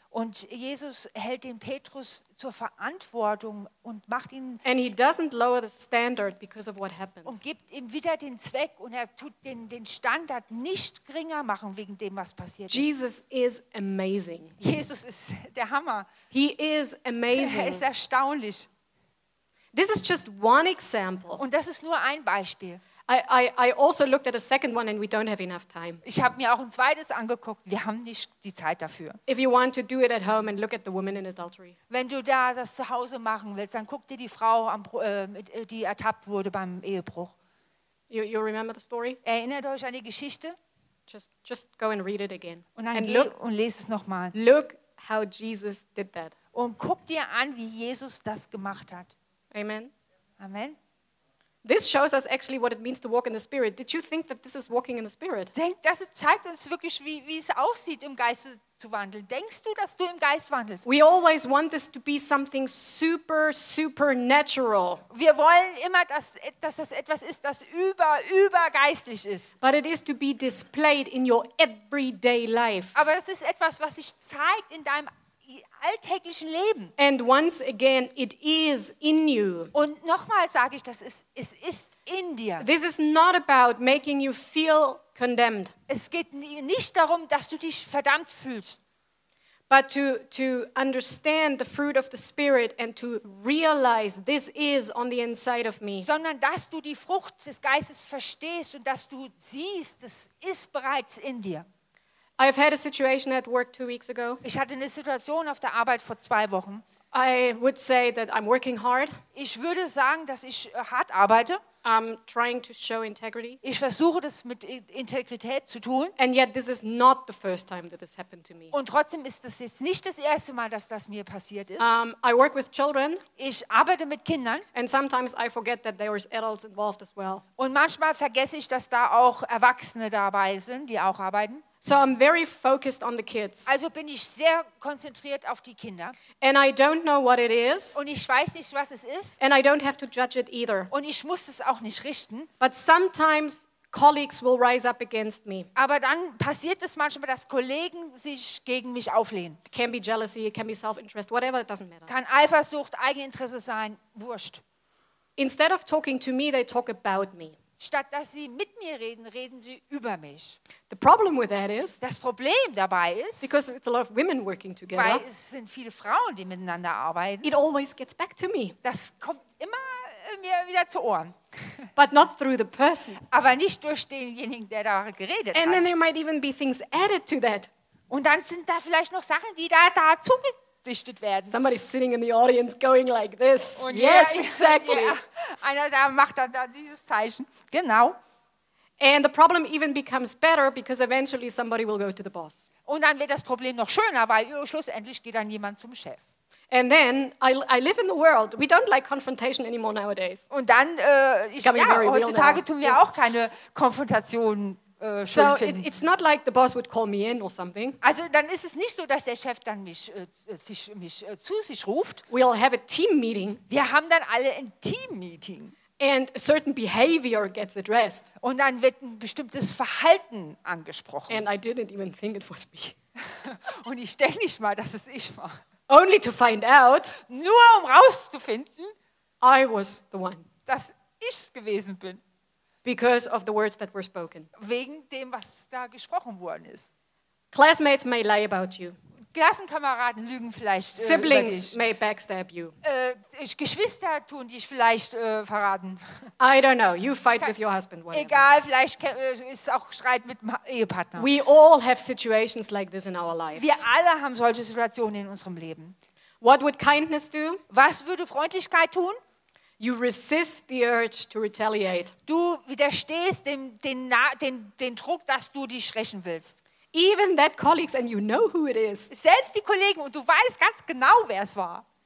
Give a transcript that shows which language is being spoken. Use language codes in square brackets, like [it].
[de] Und Jesus hält den Petrus zur Verantwortung und macht ihn. [en] And he doesn't lower the standard because of what happened. [de] Und gibt ihm wieder den Zweck und er tut den Standard nicht geringer machen wegen dem, was passiert. [en] Jesus is amazing. [de] Jesus ist der Hammer. [en] He is amazing. [de] Er ist erstaunlich. [en] This is just one example. [de] Und das ist nur ein Beispiel. [en] I also looked at a second one and we don't have enough time. [de] Ich habe mir auch ein zweites angeguckt. Wir haben nicht die Zeit dafür. [en] If you want to do it at home and look at the woman in adultery. [de] Wenn du da das zu Hause machen willst, dann guck dir die Frau an, die ertappt wurde beim Ehebruch. [en] You remember the story? [de] Erinnert euch an die Geschichte? [en] Just go and read it again. [de] Und dann geh und lese es nochmal. [en] Look how Jesus did that. [de] Und guck dir an, wie Jesus das gemacht hat. [en] Amen. [de] Amen. [en] This shows us actually what it means to walk in the Spirit. Did you think that this is walking in the Spirit? [de] Das zeigt uns wirklich, wie es aussieht, im Geist zu wandeln. Denkst du, dass du im Geist wandelst? [en] We always want this to be something super, supernatural. [de] Wir wollen immer, dass das etwas ist, das übergeistlich ist. [en] But it is to be displayed in your everyday life. [de] Aber das ist etwas, was sich zeigt in deinem alltäglichen Leben. [en] And once again, it is in you. [de] Und nochmal sage ich, es ist in dir. [en] This is not about making you feel condemned. [de] Es geht nicht darum, dass du dich verdammt fühlst. [en] But to understand the fruit of the Spirit and to realize this is on the inside of me. [de] Sondern dass du die Frucht des Geistes verstehst und dass du siehst, das ist bereits in dir. [en] I've had a situation at work 2 weeks ago. [de] Ich hatte eine Situation auf der Arbeit vor 2 Wochen. [en] I would say that I'm working hard. [de] Ich würde sagen, dass ich hart arbeite. [en] I'm trying to show integrity. [de] Ich versuche das mit Integrität zu tun. [en] And yet this is not the first time that this happened to me. [de] Und trotzdem ist das jetzt nicht das erste Mal, dass das mir passiert ist. [en] I work with children. [de] Ich arbeite mit Kindern. [en] And sometimes I forget that there is adults involved as well. [de] Und manchmal vergesse ich, dass da auch Erwachsene dabei sind, die auch arbeiten. [en] So I'm very focused on the kids. [de] Also bin ich sehr konzentriert auf die Kinder. [en] And I don't know what it is. [de] Und ich weiß nicht, was es ist. [en] And I don't have to judge it either. [de] Und ich muss es auch nicht richten. [en] But sometimes colleagues will rise up against me. [de] Aber dann passiert es manchmal, dass Kollegen sich gegen mich auflehnen. [en] It can be jealousy, it can be self-interest, whatever, it doesn't matter. [de] Kann Eifersucht, Eigeninteresse sein, wurscht. [en] Instead of talking to me, they talk about me. [de] Statt dass sie mit mir reden, reden sie über mich. [en] The problem with that is, [de] das Problem dabei ist, [en] because it's a lot of women working together, [de] weil es sind viele Frauen, die miteinander arbeiten, [en] it always gets back to me. [de] Das kommt immer mir wieder zu Ohren. [en] But not through the person. [de] Aber nicht durch denjenigen, der da geredet [en] and [de] hat. [en] Then there might even be things added to that. [de] Und dann sind da vielleicht noch Sachen, die da zugedichtet werden. [en] Somebody's sitting in the audience going like this. Und yes, yeah, exactly. Yeah. [de] Einer da macht dann da dieses Zeichen. Genau. [en] And the problem even becomes better because eventually somebody will go to the boss. [de] Und dann wird das Problem noch schöner, weil schlussendlich geht dann jemand zum Chef. [en] And then I live in the world. We don't like confrontation anymore nowadays. [de] Und dann heutzutage tun wir auch keine Konfrontation. [en] So it's not like the boss would call me in or something. [de] Also dann ist es nicht so, dass der Chef dann zu sich ruft. [en] We all have a team meeting. [de] Wir haben dann alle ein Team Meeting. [en] And a certain behavior gets addressed. [de] Und dann wird ein bestimmtes Verhalten angesprochen. [en] And I didn't even think it was me. [de] Und ich denke nicht mal, dass es ich war. [en] Only to find out. [de] Nur um rauszufinden. [en] I was the one. [de] Dass ich's gewesen bin. [en] Because of the words that were spoken. [de] Wegen dem, was da gesprochen worden ist. [en] Classmates may lie about you. [de] Klassenkameraden lügen vielleicht [en] siblings [de] über dich. [en] May backstab you. [de] Geschwister tun dich vielleicht verraten. [en] I don't know. You fight with your husband. Whatever. [de] Egal, vielleicht ist auch Streit mit dem Ehepartner. [en] We all have situations like this in our lives. [de] Wir alle haben solche Situationen in unserem Leben. [en] What would kindness do? [de] Was würde Freundlichkeit tun? [en] You resist the urge to retaliate. [de] Du widerstehst den Druck, dass du dich rächen willst. [en] Even that colleagues and you know who it is. [de] Selbst die Kollegen und du weißt ganz genau, wer es war.